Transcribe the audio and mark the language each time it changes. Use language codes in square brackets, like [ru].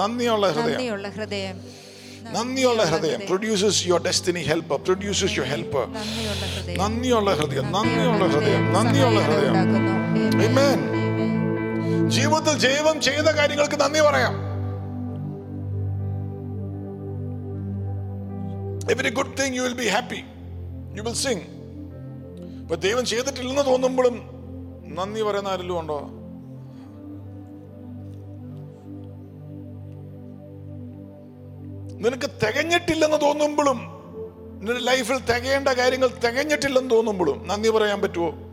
[ml] നന്ദിയുള്ള ഹൃദയം. നന്ദിയുള്ള ഹൃദയം [en] Produces your destiny helper, produces your helper. [ml] നന്ദിയുള്ള ഹൃദയം. ജീവിതത്തിൽ ദൈവം ചെയ്യുന്ന കാര്യങ്ങൾക്ക് നന്ദി പറയാം. [en] Every good thing you will be happy, you will sing. [ml] But ദൈവം ചെയ്തിട്ടില്ലെന്ന് തോന്നുമ്പോഴും നന്ദി പറയുന്ന ആരെങ്കിലും ഉണ്ടോ? നിനക്ക് തികഞ്ഞിട്ടില്ലെന്ന് തോന്നുമ്പോഴും, നിന്റെ ലൈഫിൽ തികയേണ്ട കാര്യങ്ങൾ തികഞ്ഞിട്ടില്ലെന്ന് തോന്നുമ്പോഴും നന്ദി പറയാൻ പറ്റുമോ?